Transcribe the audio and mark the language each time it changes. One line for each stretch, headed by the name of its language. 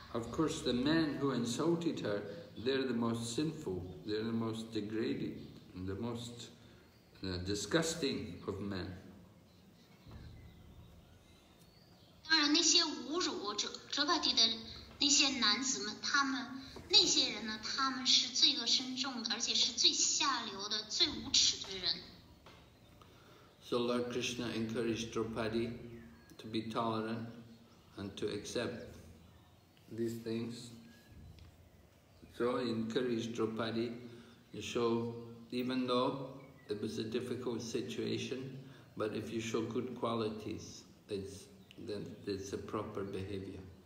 English: Of course, the men who insulted her, they're the most sinful, they're the most degraded, the most disgusting of men.
Chinese: 当然，那些侮辱遮帕帝的那些男子们，他们那些人呢？他们是罪恶深重的，而且是最下流的、最无耻的人。
English: So Lord Krishna encouraged Draupadi to be tolerant and to accept these things. So he encouraged Draupadi to show, even though it was a difficult situation, but if you show good qualities, it's a proper behavior.